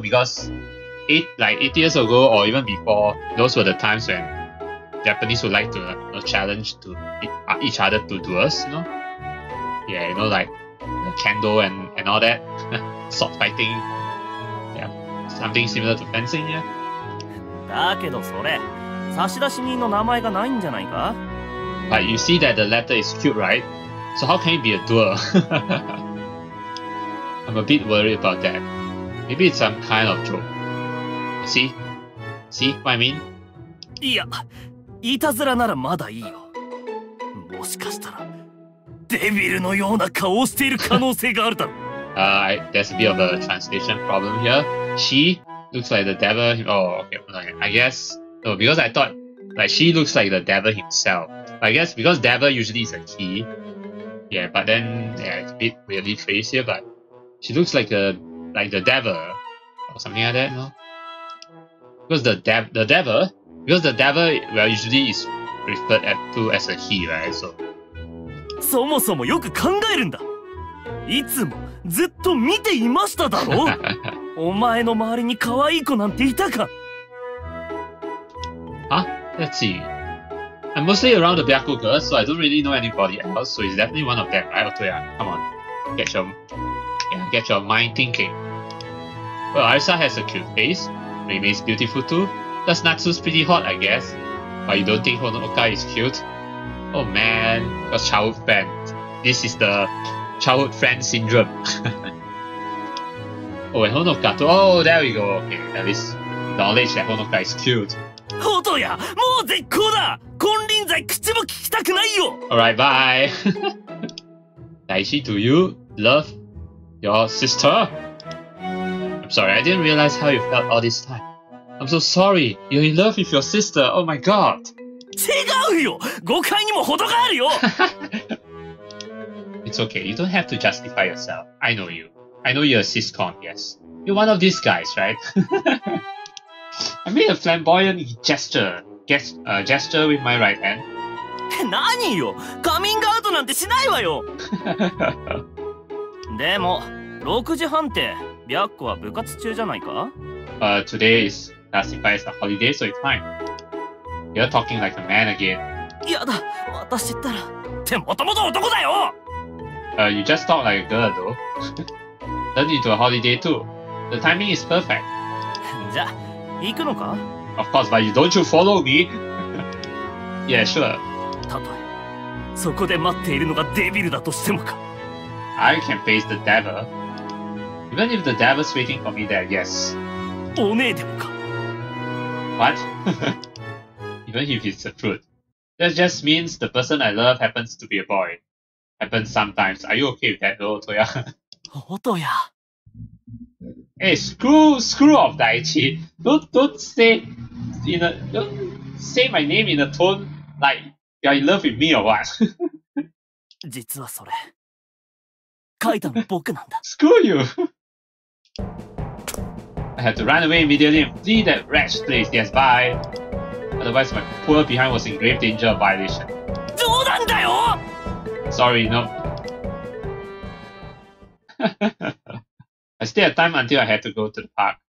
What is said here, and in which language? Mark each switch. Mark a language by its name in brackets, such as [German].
[English] Because 80 years ago, or even before, those were the times when Japanese would like to challenge to each other to duels, you know? Yeah, you know, like the kendo and all that, sword fighting. Yeah, something similar to fencing, yeah? [Japanese] だけどそれ、差出人の名前がないんじゃないか。 [English] But you see that the letter is cute, right? So how can it be a duo? I'm a bit worried about that. Maybe it's some kind of joke. See? See what I mean? [Japanese] いや、いたずらならまだいいよ。もしかしたらデビルのような顔をしている可能性があるだろう。 [English] There's a bit of a translation problem here. She looks like the devil. I guess. No, because I thought like she looks like the devil himself. I guess because devil usually is a he. Yeah, but then yeah, it's a bit weirdly phrased here. But she looks like the devil or something like that. No, because the devil well usually is referred to as a he, right? So. [Japanese] そもそもよく考えるんだ。いつもずっと見ていましただろ。お前の周りに可愛い子なんていたか。 [English] Let's see. I'm mostly around the Byaku girls, so I don't really know anybody else. So it's definitely one of them, right? Otoya, come on, get your mind thinking. Well, Arisa has a cute face. Meimei is beautiful too. Does Natsu's pretty hot, I guess. But you don't think Honoka is cute? Oh man, your childhood friend. This is the childhood friend syndrome. Oh, and Honoka too. Oh, there we go. Okay, at least knowledge that Honoka is cute. [Japanese] ホトヤ、もう絶好だ。金輪際口も聞きたくないよ。 [English] Alright, bye. Daishi, do you love your sister? I'm sorry, I didn't realize how you felt all this time. I'm so sorry. You're in love with your sister. Oh my god. [Japanese] 違うよ。誤解にもほどがあるよ。 [English] It's okay. You don't have to justify yourself. I know you. I know you're a siscon. Yes, you're one of these guys, right? I made a flamboyant gesture with my right hand. [Japanese] 何よ、カミングアウトなんてしないわよ。でも6時半って白子は部活中じゃないか。 [English] Today is classified as a holiday, so it's fine. You're talking like a man again. [Japanese] やだ、私ったらってもともと男だよ。 [English] You just talk like a girl though. Turn into a holiday too. The timing is perfect. [Japanese] じゃ行くのか? [English] Of course, but don't you follow me? Yeah, sure. [Japanese] たとえそこで待っているのがデビルだとしてもか? [English] I can face the devil. Even if the devil's waiting for me there, yes. [Japanese] おねえでもか? [English] What? Even if it's the truth. That just means the person I love happens to be a boy. Happens sometimes. Are you okay with that though, Otoya? Otoya? Hey, screw off, Daichi. Don't say my name in a tone like you're in love with me or what. [Japanese] 実はそれ、書いたの僕なんだ。 [English] Screw you. I had to run away immediately and flee that wretched place. Yes, bye. Otherwise, my poor behind was in grave danger of violation. [Japanese] 冗談だよ! [English] Sorry, no. I still had time until I had to go to the park.